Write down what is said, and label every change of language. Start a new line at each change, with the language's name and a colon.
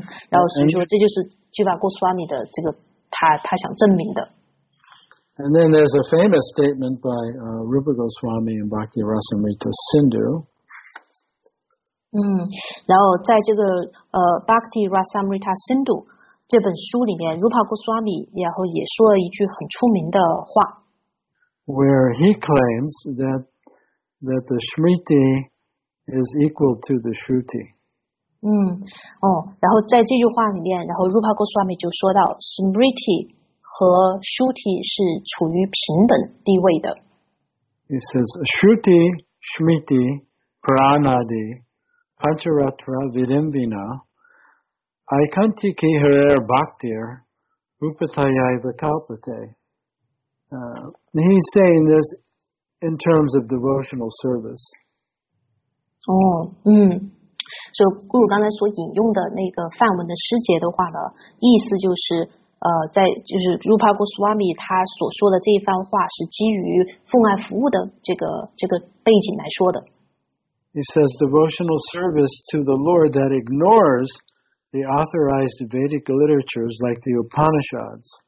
Chinese: 然后所以说这就是吉巴古斯瓦米的这个他想证明的。
English: And then there's a famous statement by Rupa Goswami and Bhakti Rasamrita Sindhu.
Chinese: 然后在这个Bhakti Rasamrita Sindhu 这本书里面，Rupa Goswami 然后也说了一句很出名的话。
English: Where he claims that the Smriti is equal to the Shruti.
Chinese: 然后在这句话里面，然后 Rupa Goswami 就说到 Smriti 和 Shruti 是处于平等地位的。
Sanskrit: He says, Shruti, Smriti, Pranadi, Pancharatra, Vidimbina, Aikantiki Harer Bhaktir, Upatayaiva Kalpate.
English: He's saying this in terms of devotional service.
Chinese: 就顾汝刚才所引用的那个梵文的诗节的话呢，意思就是，在就是 Rupa Goswami 他所说的这一番话是基于奉爱服务的这个背景来说的。
English: He says devotional service to the Lord that ignores the authorized Vedic literatures like the Upanishads.